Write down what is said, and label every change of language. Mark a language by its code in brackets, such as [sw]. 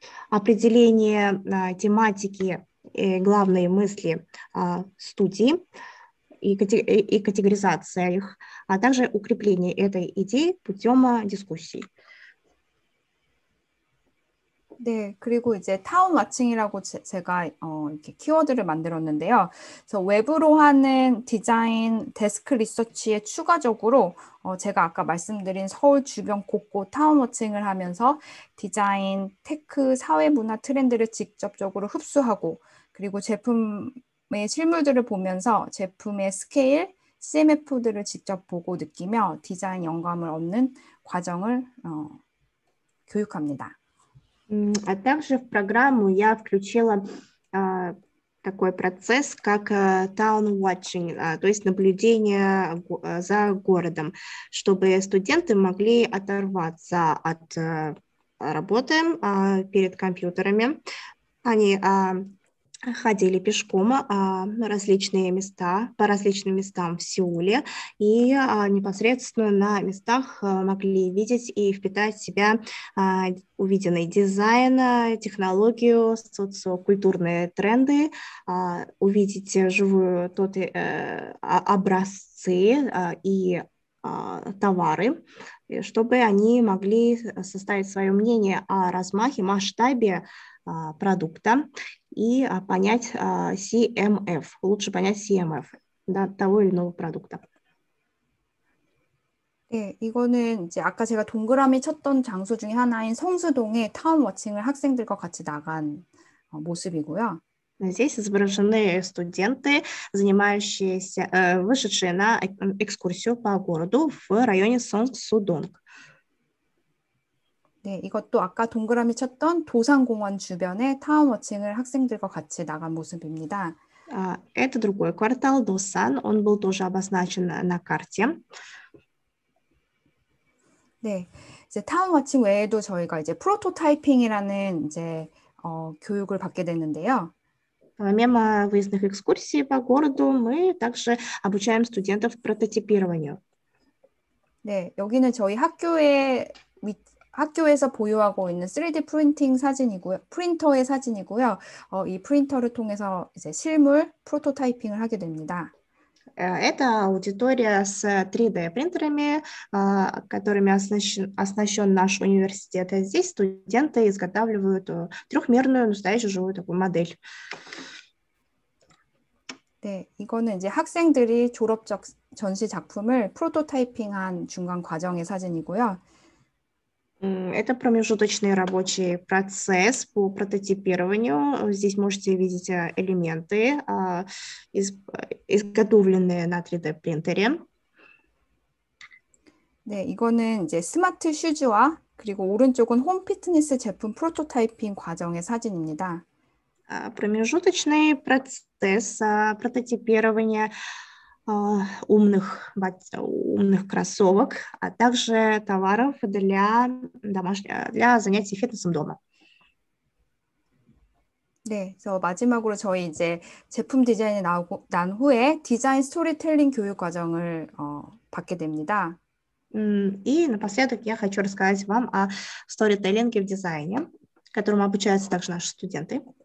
[ru] Определение тематики главной мысли студии и категоризация их, а также укрепление этой идеи путем дискуссий. [ko] 네, 그리고 이제 타운 마칭이라고 제가 이렇게 키워드를 만들었는데요. 그래서 외부로 하는 디자인 데스크 리서치에 추가적으로 제가 아까 말씀드린 서울 주변 곳곳 타운 마칭을 하면서 디자인, 테크, 사회 문화 트렌드를 직접적으로 흡수하고 그리고 제품의 실물들을 보면서 제품의 스케일, CMF들을 직접 보고 느끼며 디자인 영감을 얻는 과정을 교육합니다. [ru] 아, также в программу я включила такой процесс, как town watching, то есть наблюдение за городом, чтобы студенты могли оторваться от работы перед компьютерами. Они ходили пешком по различным местам в Сеуле и непосредственно на местах могли видеть и впитать в себя увиденный дизайн, технологию, социокультурные тренды, увидеть живую образцы и товары, чтобы они могли составить свое мнение о размахе, масштабе продукта и понять CMF, лучше понять CMF, да, того или иного продукта. [ko] 네, 이거는 이제 아까 제가 동그라미 쳤던 장소 중에 하나인 성수동에 타운 워칭을 학생들과 같이 나간 모습이고요. [ru] Здесь изображены студенты, занимающиеся, вышедшие на экскурсию по городу в районе Сонгсудонг. [ko] 네, 이것도 아까 동그라미 쳤던 도산공원 주변에 타운 워칭을 학생들과 같이 나간 모습입니다. [ru] Это другой квартал Досан, он был тоже обозначен на карте. [ko] 네, 이제 타운워칭 외에도 저희가 이제 프로토타이핑이라는 이제 교육을 받게 됐는데요. [ru] Помимо выездных экскурсий по городу, мы также обучаем студентов прототипированию. [ko] 네, 여기는 저희 학교에서 보유하고 있는 3D 프린터의 사진이고요. 이 프린터를 통해서 이제 실물 프로토타이핑을 하게 됩니다. [ru] Это аудитория с 3D принтерами, которыми оснащен наш университет. Здесь студенты изготавливают трехмерную настоящую живую такую модель. [ko] 네, 이거는 이제 학생들이 졸업적 전시 작품을 프로토타이핑한 중간 과정의 사진이고요. [ru] Это промежуточный рабочий процесс по прототипированию. Здесь можете видеть элементы, изготовленные на 3D принтере. [ko] 네, 이거는 이제 스마트 슈즈와 그리고 오른쪽은 홈 피트니스 제품 프로토타이핑 과정의 사진입니다. [ru] Промежуточный процесс прототипирования умных кроссовок, а также товаров для занятий фитнесом дома. [ko] 네, 그래서 마지막으로 저희 이제 제품 디자인이 나오고 난 후에 디자인 스토리텔링 교육 과정을 받게 됩니다. [ru] И напоследок я хочу рассказать вам о сторителлинге в дизайне, которому обучаются также наши студенты.